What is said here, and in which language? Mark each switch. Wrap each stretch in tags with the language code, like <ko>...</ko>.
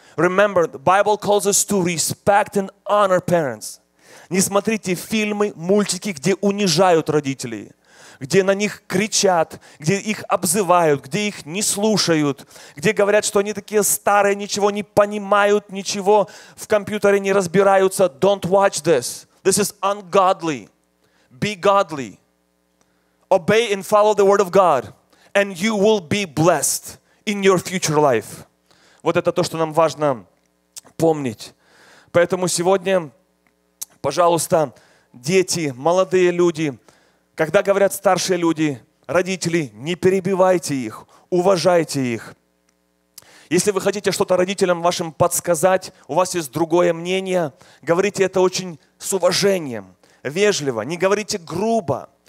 <en>Remember, the Bible calls us to respect and honor parents.</en> <ru>Не смотрите фильмы, мультики, где унижают родителей, где на них кричат, где их обзывают, где их не слушают, где говорят, что они такие старые, ничего не понимают, ничего в компьютере не разбираются.</ru> <en>Don't watch this. This is ungodly. Be godly. Obey and follow the word of God, and you will be blessed in your future life.</en> <ru>Вот это то, что нам важно помнить. Поэтому сегодня, пожалуйста, дети, молодые люди, когда говорят старшие люди, родители, не перебивайте их, уважайте их. Если вы хотите что-то родителям вашим подсказать, у вас есть другое мнение, говорите это очень с уважением, вежливо, не говорите грубо.</ru>